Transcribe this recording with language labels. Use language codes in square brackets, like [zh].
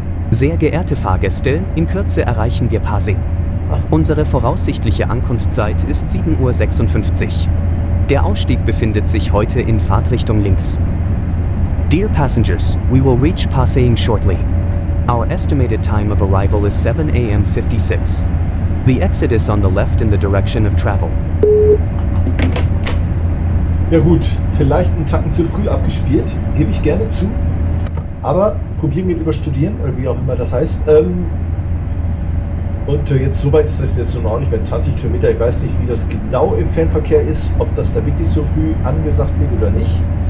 [de] Sehr geehrte Fahrgäste, in Kürze erreichen wir Pasing. Unsere voraussichtliche Ankunftszeit ist 7.56 Uhr. Der Ausstieg befindet sich heute in Fahrtrichtung links. [en] Dear passengers, we will reach Pasing shortly. Our estimated time of arrival is 7:56 a.m. The exit is on the left in the direction of travel. [de] Ja gut, vielleicht einen Tacken zu früh abgespielt, gebe ich gerne zu. Aber probieren geht über studieren, oder wie auch immer das heißt. Und jetzt, soweit ist das jetzt nun auch nicht mehr, 20 Kilometer. Ich weiß nicht, wie das genau im Fernverkehr ist, ob das da wirklich so früh angesagt wird oder nicht.